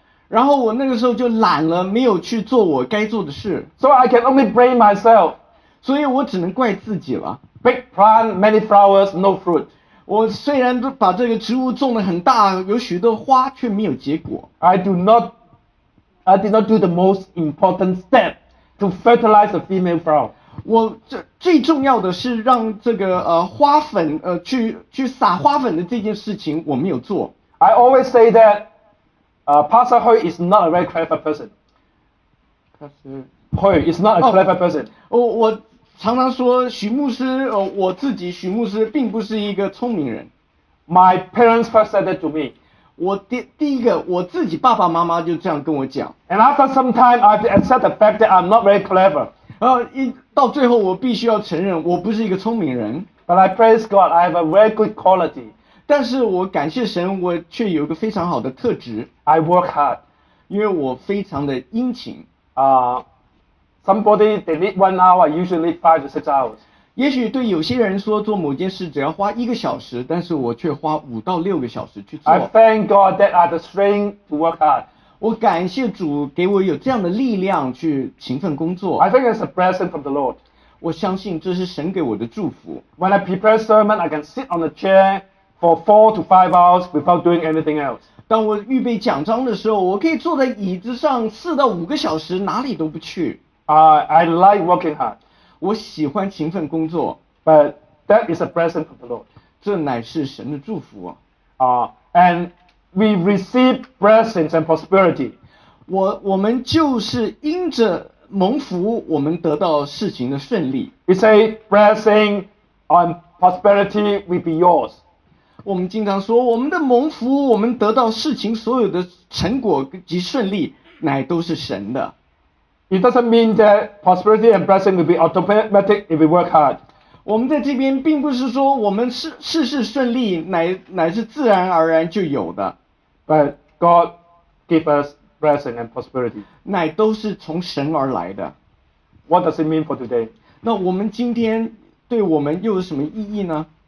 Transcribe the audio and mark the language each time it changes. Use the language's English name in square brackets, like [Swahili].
[Chinese] 然后我那个时候就懒了没有去做我该做的事。 [English] So I can only blame myself. [Chinese] 所以我只能怪自己了。 [English] Big plant, many flowers, no fruit. [Chinese] 我虽然都把这个植物种得很大有许多花却没有结果。 [English] I did not do the most important step to fertilize the female flower. [Chinese] 我最重要的是让这个花粉去撒花粉的这件事情我没有做。 [English] I always say that Pastor Hui is not a very clever person. Pastor Hui is not a clever person. [Chinese] 我常常说徐牧师，我自己徐牧师并不是一个聪明人。 [English] My parents first said that to me. [Chinese] 我第一个，我自己爸爸妈妈就这样跟我讲。 [English] And after some time, I accept the fact that I'm not very clever. [Chinese] 到最后我必须要承认，我不是一个聪明人。 [English] But I praise God, I have a very good quality. [Chinese] 但是我感谢神，我却有一个非常好的特质。 [English] I work hard， [Chinese] 因为我非常的殷勤。 [English] Somebody they need 1 hour, usually 5 to 6 hours。 [Chinese] 也许对有些人说做某件事只要花一个小时，但是我却花5到6个小时去做。 [English] I thank God that I have the strength to work hard。 [Chinese] 我感谢主给我有这样的力量去勤奋工作。 [English] I think it's a blessing from the Lord。 [Chinese] 我相信这是神给我的祝福。 [English] When I prepare sermon, I can sit on the chair。 For 4 to 5 hours without doing anything else. [Chinese] 当我预备讲章的时候，我可以坐在椅子上4到5个小时，哪里都不去。 [English] I like working hard. [Chinese] 我喜欢勤奋工作。 [English] But that is a blessing from the Lord. [Chinese] 这乃是神的祝福。 [English] And we receive blessings and prosperity. [Chinese] 我们就是因着蒙福，我们得到事情的顺利。 [English] We say blessing and prosperity will be yours. [Chinese] 我们经常说我们的蒙福，我们得到事情所有的成果及顺利乃都是神的。 [English] It doesn't mean that prosperity and blessing will be automatic if we work hard. [Chinese] 我们在这边并不是说我们事事顺利乃是自然而然就有的。 [English] But God give us blessing and prosperity. [Chinese] 乃都是从神而来的。 [English] What does it mean for today? [Chinese] 那我们今天对我们又有什么意义呢？